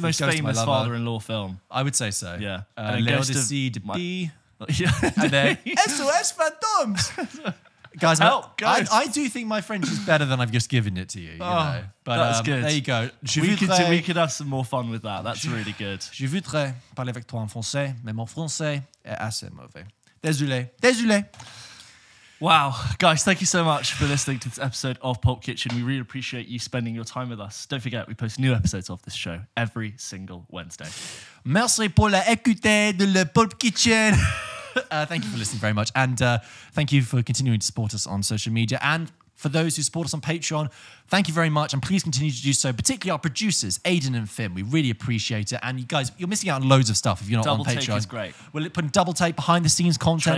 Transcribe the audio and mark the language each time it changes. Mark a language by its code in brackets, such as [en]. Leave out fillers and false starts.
[en] probably the most famous father-in-law film. I would say so. Yeah. Les Odyssées de Pi. And then SOS Phantoms. Guys, I do think my French is better than I've just given it to you. But that's good. There you go. We could have some more fun with that. That's really good. [fr] Je voudrais parler avec toi en français, mais mon français est assez mauvais. Désolé. [en] Wow. Guys, thank you so much for listening to this episode of Pulp Kitchen. We really appreciate you spending your time with us. Don't forget, we post new episodes of this show every single Wednesday. [fr] Merci pour l'écouter de le Pulp Kitchen. [en] Thank you for listening very much. And thank you for continuing to support us on social media. And for those who support us on Patreon, thank you very much. And please continue to do so, particularly our producers, Aidan and Finn. We really appreciate it. And you guys, you're missing out on loads of stuff if you're not double on Patreon. Double Take is great. We're putting Double Take, behind the scenes content,